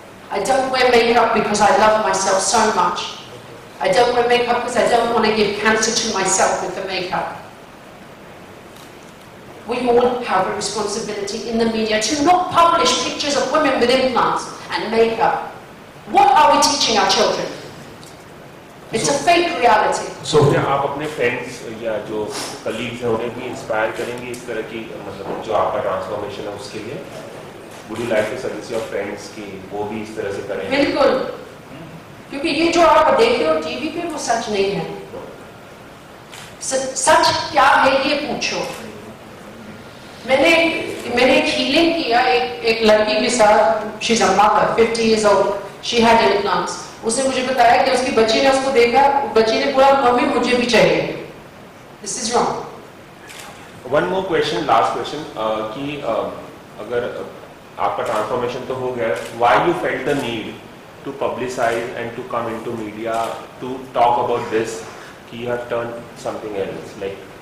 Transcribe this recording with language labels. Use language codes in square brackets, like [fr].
[en] I don't wear makeup because I love myself so much. I don't wear makeup because I don't want to give cancer to myself with the makeup. We all have a responsibility in the media to not publish pictures of women with implants and makeup. What are we teaching our children? It's so, a fake reality. [hi] So आप अपने friends या जो colleagues हैं उन्हें भी inspire करेंगे इस तरह की मतलब जो आपका transformation है उसके लिए? [en] Would you like to suggest your friends [hi] कि वो भी इस तरह से करें? बिल्कुल. क्योंकि ये जो आप देखते हो TV पे वो सच नहीं है. सच क्या है ये पूछो. मैंने एक healing किया एक लड़की के साथ. [en] She's a mother, 50 years old. She had implants. [hi] उसने मुझे बताया कि उसकी बच्ची ने उसको देखा, बच्ची ने बोला मम्मी मुझे भी चाहिए. [en] This is wrong. One more question, last question, [hi] कि अगर आपका transformation तो हो गया, [en] why you felt the need to publicize and to come into media to talk about this, कि you have turned something else, like?